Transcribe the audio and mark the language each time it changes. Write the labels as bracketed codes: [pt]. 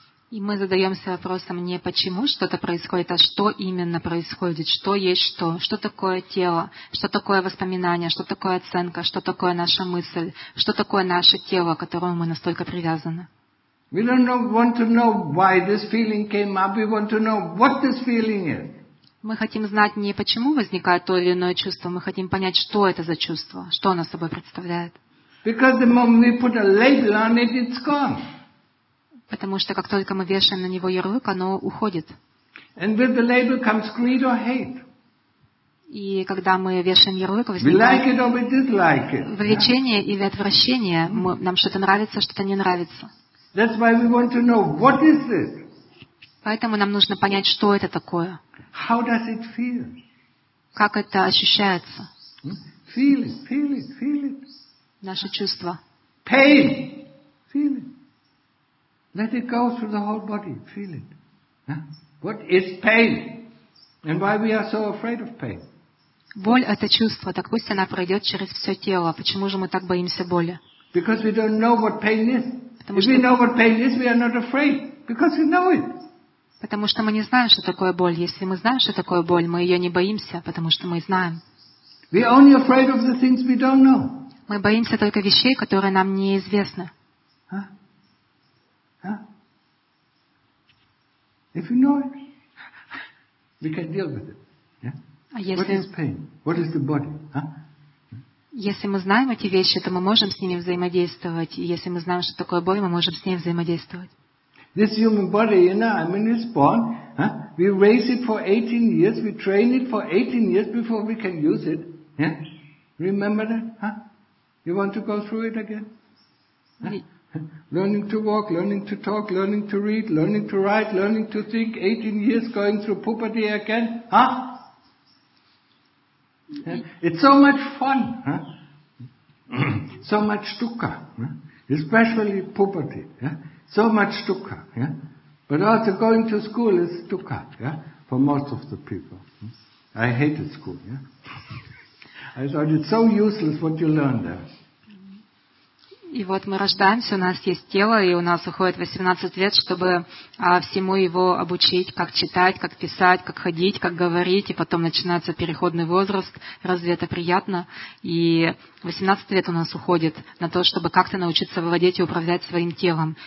[ru] И мы задаемся вопросом не почему что-то происходит, а что именно происходит, что есть что, что такое тело, что такое воспоминание, что такое оценка, что такое наша мысль, что такое наше тело, к которому мы настолько привязаны. [en] We don't know, want to know why this feeling came up, we want to know what this feeling is. [ru] Мы хотим знать не почему возникает то или иное чувство, мы хотим понять, что это за чувство, что оно собой представляет. [en] Because the moment we put a label on it, it's gone. [ru] Потому что как только мы вешаем на него ярлык, оно уходит. [en] And with the label comes greed or hate. [ru] И когда мы вешаем ярлык, [en] we like it or we dislike it. [ru] Влечение, yeah? Или отвращение. Нам что-то нравится, что-то не нравится. [en] That's why we want to know, what is this? [ru] Поэтому нам нужно понять, что это такое. [en] How does it feel? [ru] Как это ощущается? [en] Feel it, feel it, feel it. [ru] Наши чувства. [en] Pain. Feel it. Let it go through the whole body. Feel it. Huh? What is pain? And why we are so afraid of pain? [ru] Боль — это чувство. Так пусть она пройдет через все тело. Почему же мы так боимся боли? [en] Because we don't know what pain is. If we know what pain is, we are not afraid, because we know it. [ru] Потому что мы не знаем, что такое боль. Если мы знаем, что такое боль, мы ее не боимся, потому что мы знаем. [en] We are only afraid of the things we don't know. [ru] Мы боимся только вещей, которые нам неизвестны. [en] If you know it, we can deal with it. What is pain? What is the body? [ru] Если мы знаем эти вещи, то мы можем с ними взаимодействовать. И если мы знаем, что такое боль, мы можем с ней взаимодействовать. [en] This human body, you know, I mean, it's born. We raise it for 18 years, we train it for 18 years before we can use it. Yeah? Remember that? You want to go through it again? Learning to walk, learning to talk, learning to read, learning to write, learning to think, 18 years going through puberty again? It's so much fun, so much dukkha, especially puberty, so much dukkha, but also going to school is dukkha, for most of the people. I hated school, I thought it's so useless what you learn there. [ru] И вот мы рождаемся, у нас есть тело, и у нас уходит 18 лет, чтобы всему его обучить, как читать, как писать, как ходить, как говорить, и потом начинается переходный возраст. Разве это приятно? И 18 лет у нас уходит на то, чтобы как-то научиться выводить и управлять своим телом.